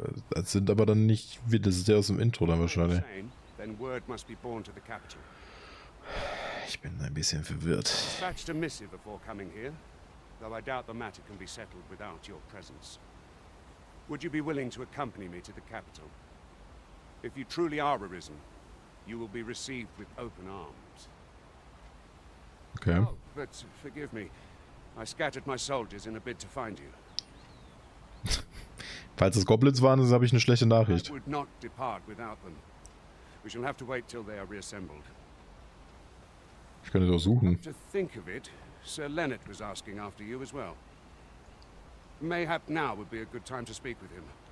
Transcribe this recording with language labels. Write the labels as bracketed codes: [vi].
[de] Das sind aber dann nicht wir, das ist der aus dem Intro dann wahrscheinlich. [en] Then word must be borne to the capital. [de] Ich bin ein bisschen verwirrt. [en] Dispatched a missive before coming here. Though I doubt the matter can be settled without your presence. Would you be willing to accompany me to the capital? If you truly are arisen, you will be received with open arms. Okay. Oh, but forgive me. I scattered my soldiers in a bid to find you. [de] Falls es Goblins waren, dann habe ich eine schlechte Nachricht. [en] I would not depart without them. We shall have to wait till they are reassembled. [de] Ich könnte doch suchen. [en] To think of it, Sir Leonard was asking after you as well. Mayhap now would be a good time to speak with him.